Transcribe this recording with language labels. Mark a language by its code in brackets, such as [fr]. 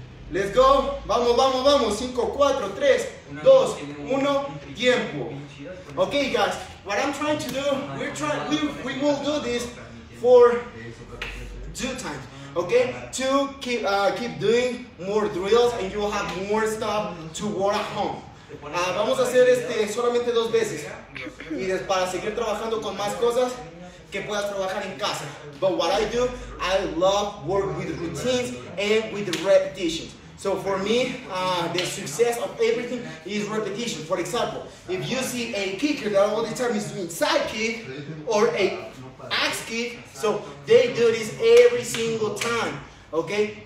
[en] Let's go. [es] Vamos, vamos, vamos. [en] 5, 4, 3, 2, 1. [es] Tiempo. [en] Okay, guys. What I'm trying to do, we will do this for 2 times. Okay? To keep doing more drills and you will have more stuff to work at home. [es] Vamos a hacer solamente 2 veces. Y es para seguir trabajando con más cosas que puedas trabajar en casa. [en] But what I do, I love work with routines and with repetitions. So for me, the success of everything is repetition. For example, if you see a kicker that all the time is doing side kick or a axe kick, so they do this every single time, okay?